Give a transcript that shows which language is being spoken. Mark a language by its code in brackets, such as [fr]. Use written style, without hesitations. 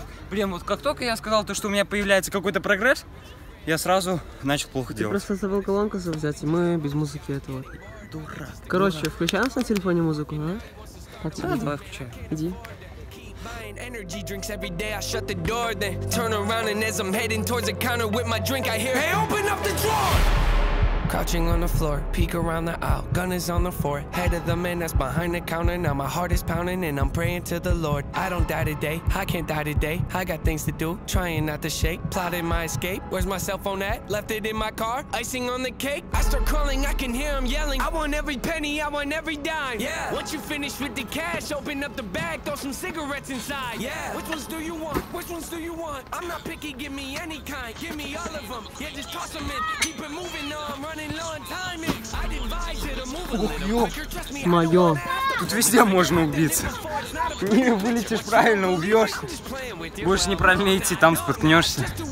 [ru] Блин, вот как только я сказал то, что у меня появляется какой-то прогресс, я сразу начал плохо делать. Ты просто забыл колонку взять, и мы без музыки этого. Дурак. Короче, дурак. Включаем на телефоне музыку, а? Так, да? Давай включаем. Иди. [en] Energy drinks every day. I shut the door, then turn around, and as I'm heading towards the counter with my drink, I hear, "Hey, open up the drawer!" crouching on the floor, peek around the aisle, gun is on the floor, head of the man that's behind the counter, now my heart is pounding and I'm praying to the Lord. I don't die today, I can't die today, I got things to do, trying not to shake, plotting my escape, where's my cell phone at, left it in my car, icing on the cake, I start crawling, I can hear him yelling, I want every penny, I want every dime, yeah, once you finish with the cash, open up the bag, throw some cigarettes inside, yeah, which ones do you want, which ones do you want, I'm not picky, give me any kind, give me all of them, yeah, just toss them in, keep it moving, no, I'm running low on time, I'd advise you to move a little. [ru] Моё. Тут везде можно убиться. Не, вылетишь правильно, убьешь. Будешь неправильно идти, там споткнешься.